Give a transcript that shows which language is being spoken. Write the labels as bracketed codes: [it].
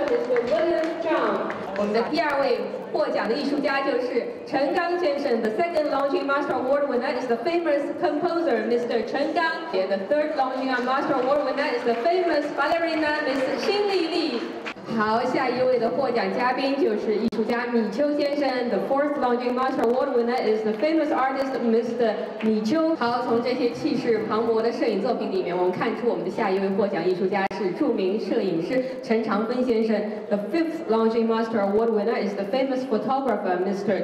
[en] The second Longines Master Award winner is the famous composer Mr. Chen Gang. And the third Longines Master Award winner is the famous ballerina Ms. Xin Li Li. [zh] 好，下一位的获奖嘉宾就是艺术家米秋先生。 [en] The fourth Longines Master Award winner is the famous artist Mr. [zh] 米秋。好，从这些气势磅礴的摄影作品里面，我们看出我们的下一位获奖艺术家是著名摄影师陈长芬先生。 [en] The fifth Longines Master Award winner is the famous photographer Mr.